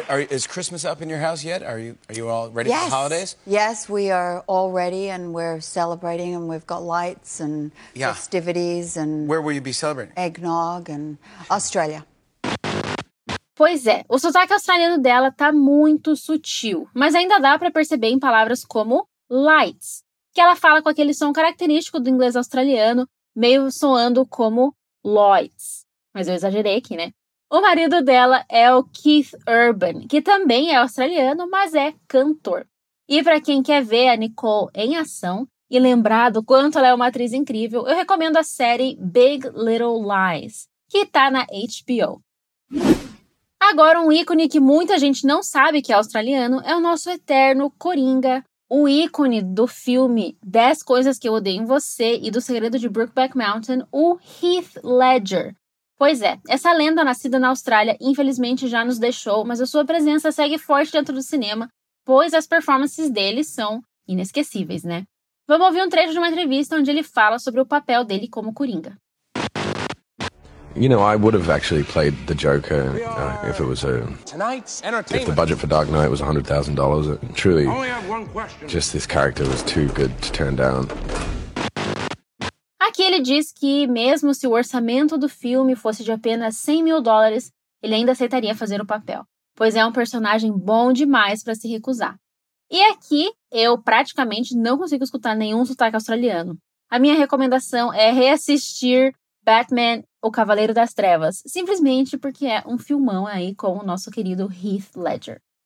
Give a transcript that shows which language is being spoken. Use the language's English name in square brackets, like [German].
[English] Is Christmas up in your house yet? Are you all ready yes. for holidays? Yes, we are all ready and we're celebrating and we've got lights and yeah. festivities and Where will you be celebrating? Eggnog and Australia. [Portuguese] Pois é, o sotaque australiano dela tá muito sutil, mas ainda dá para perceber em palavras como lights, que ela fala com aquele som característico do inglês australiano, meio soando como lights. Mas eu exagerei aqui, né? O marido dela é o Keith Urban, que também é australiano, mas é cantor. E para quem quer ver a Nicole em ação e lembrar do quanto ela é uma atriz incrível, eu recomendo a série Big Little Lies, que tá na HBO. Agora, um ícone que muita gente não sabe que é australiano é o nosso eterno Coringa, o ícone do filme 10 Coisas Que Eu Odeio Em Você e do Segredo de Brokeback Mountain, o Heath Ledger. Pois é, essa lenda nascida na Austrália infelizmente já nos deixou, mas a sua presença segue forte dentro do cinema, pois as performances dele são inesquecíveis, né? Vamos ouvir um trecho de uma entrevista onde ele fala sobre o papel dele como Coringa. [English] You know, I would have actually played the Joker if it was a tonight's entertainment. If the budget for Dark Knight was $100,000, truly. I only have one question. Just this character was too good to turn down. [Portuguese] Aqui ele diz que mesmo se o orçamento do filme fosse de apenas $100,000, ele ainda aceitaria fazer o papel, pois é um personagem bom demais para se recusar. E aqui eu praticamente não consigo escutar nenhum sotaque australiano. A minha recomendação é reassistir Batman, O Cavaleiro das Trevas, simplesmente porque é um filmão aí com o nosso querido Heath Ledger.